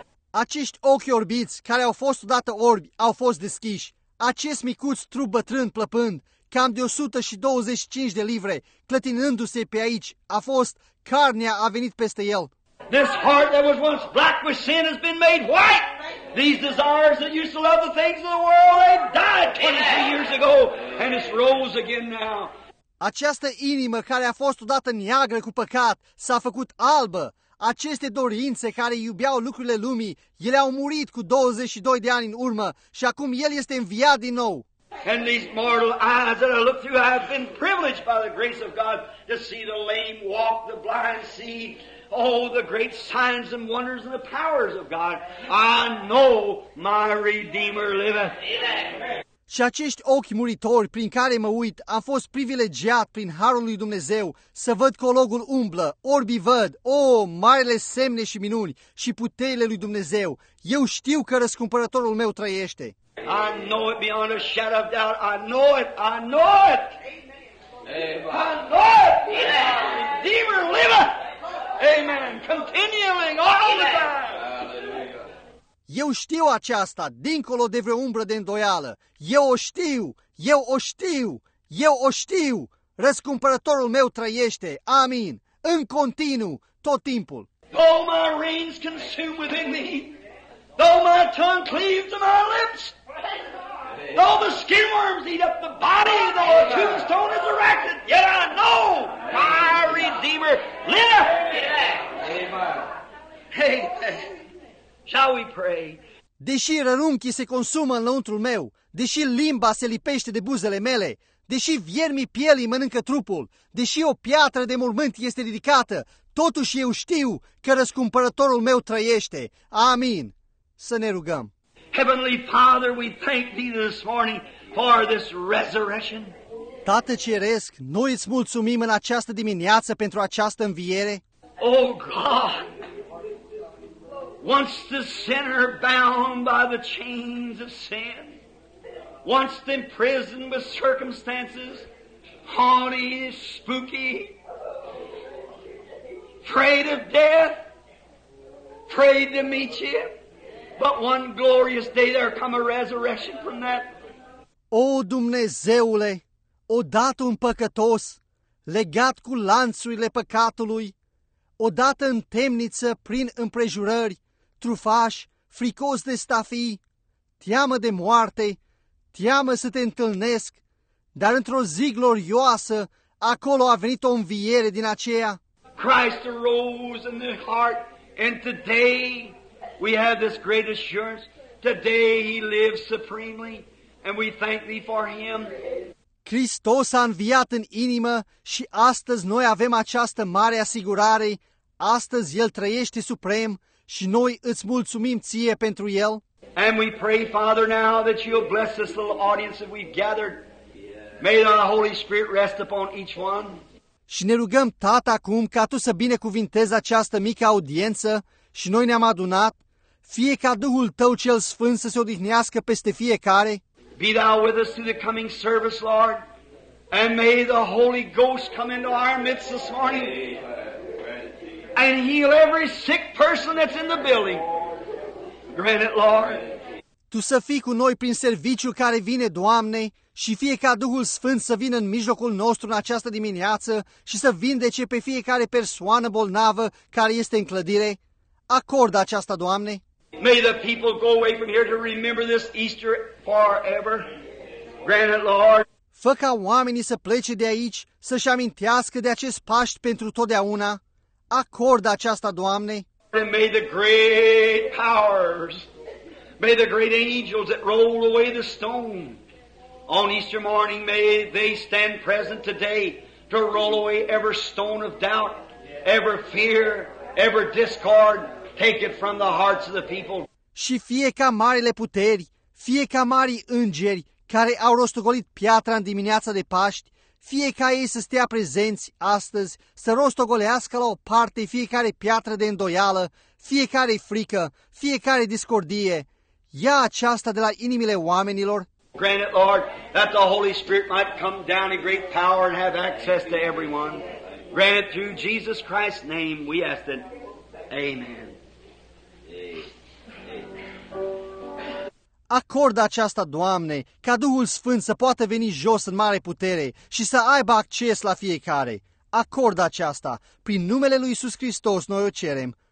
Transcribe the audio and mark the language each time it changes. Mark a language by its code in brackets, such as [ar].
[ro] Acești ochi orbiți care au fost odată orbi au fost deschiși. Acest micuț trup bătrân plăpând, cam de 125 de livre, clătinându-se pe aici, a fost, carnea a venit peste el. [en] This heart that was once black with sin has been made white. These desires that used to love the things of the world, they died 23 years ago and it's rose again now. [ro] Această inimă care a fost odată neagră cu păcat s-a făcut albă. Aceste dorințe care iubeau lucrurile lumii, ele au murit cu 22 de ani în urmă și acum El este înviat din nou. [en] And these mortal eyes that I look through, I have been privileged by the grace of God to see the lame walk, the blind see, oh, the great signs and wonders and the powers of God. I know my Redeemer liveth. [ro] Și acești ochi muritori prin care mă uit, am fost privilegiat prin harul lui Dumnezeu să văd că ologul umblă, orbii văd, o, marele semne și minuni și puterile lui Dumnezeu. Eu știu că răscumpărătorul meu trăiește. [en] I know it beyond a shadow of doubt. I know it. I know it. Amen. I know it. Redeemer liveth. Amen. Continuing all the time. [ro] Eu știu aceasta, dincolo de vreo umbră de îndoială. Eu o știu, eu o știu, eu o știu. Răscumpărătorul meu trăiește. Amin. În continuu, tot timpul. [en] Though my reins consume within me, though my tongue cleaves to my lips, though the skin worms eat up the body, though a tombstone is erected, yet I know my Redeemer liveth. Amen. Shall we pray? [ro] Deși rărunchii se consumă înăuntrul meu, deși limba se lipește de buzele mele, deși viermii pielii mănâncă trupul, deși o piatră de mormânt este ridicată, totuși eu știu că răscumpărătorul meu trăiește. Amin. Să ne rugăm. [en] Heavenly Father, we thank Thee this morning for this resurrection. [ro] Tată Ceresc, noi îți mulțumim în această dimineață pentru această înviere. [en] Oh God! Once the sinner bound by the chains of sin, once imprisoned with circumstances, haughty, spooky, afraid of death, afraid to meet you, but one glorious day there come a resurrection from that. [ro] O Dumnezeule, odată un păcătos, legat cu lanțurile păcatului, odată în temniță prin împrejurări, trufaș, fricos de stafii, teamă de moarte, teamă să te întâlnesc, dar într-o zi glorioasă, acolo a venit o înviere din aceea. [en] Christ arose in the heart, and today we have this great assurance, today He lives supremely, and we thank Thee for Him. [ro] Hristos a înviat în inimă și astăzi noi avem această mare asigurare, astăzi El trăiește suprem, și noi îți mulțumim ție pentru el. [en] And we pray, Father, now that you'll bless this little audience that we've gathered. May the Holy Spirit rest upon each one. [ro] Și ne rugăm, Tată, acum ca Tu să binecuvintezi această mică audiență și noi ne-am adunat, fie ca Duhul Tău cel Sfânt să se odihnească peste fiecare. [en] Be Thou with us through the coming service, Lord, and may the Holy Ghost come into our midst this morning. And heal every sick person that's in the building. Grant it, Lord. [ro] Tu să fii cu noi prin serviciul care vine, Doamne, și fie ca Duhul Sfânt să vină în mijlocul nostru în această dimineață și să vindece pe fiecare persoană bolnavă care este în clădire. Acordă aceasta, Doamne. [en] May the people go away from here to remember this Easter forever. Grant it, Lord. [ro] Fă ca oamenii să plece de aici să-și amintească de acest Paști pentru totdeauna. Acordă aceasta, Doamne. [en] And may the great powers, may the great angels that roll away the stone on Easter morning, may they stand present today to roll away every stone of doubt, every fear, every discord, take it from the hearts of the people. [ro] Și fie ca marile puteri, fie ca marii îngeri care au rostogolit piatra în dimineața de Paști, fie ca ei să stea prezenți astăzi, să rostogolească la o parte fiecare piatră de îndoială, fiecare frică, fiecare discordie, ia aceasta de la inimile oamenilor. [en] Grant it, Lord, that the Holy Spirit might come down in great power and have access to everyone. Grant it through Jesus Christ's name, we ask it. Amen. [ro] Acordă aceasta, Doamne, ca Duhul Sfânt să poată veni jos în mare putere și să aibă acces la fiecare. Acordă aceasta, prin numele lui Iisus Hristos noi o cerem.